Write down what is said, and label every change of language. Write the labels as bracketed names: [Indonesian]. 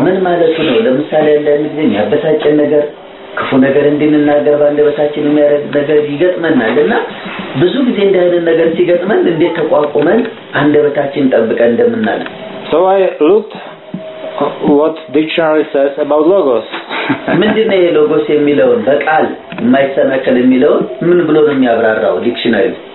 [Amharic] ምን ማለት ነው ለምሳሌ እንደምን ያበሳጨን ነገር ክፉ ነገር እንድንናገር ባንደበታችን የሚያረግ ነገር ይገጥመናልና ብዙ ጊዜ እንደሆነ ነገር ሲገጥመን እንዴት ተቋቁመን አንደበታችን ጠብቀን እንደምናል [English] So I looked what dictionary says about logos [Amharic] ምንድነው logos የሚለው በቃል የማይተናከል የሚለው ምን ብሎ ነው የሚያብራራው ዲክሽነሪ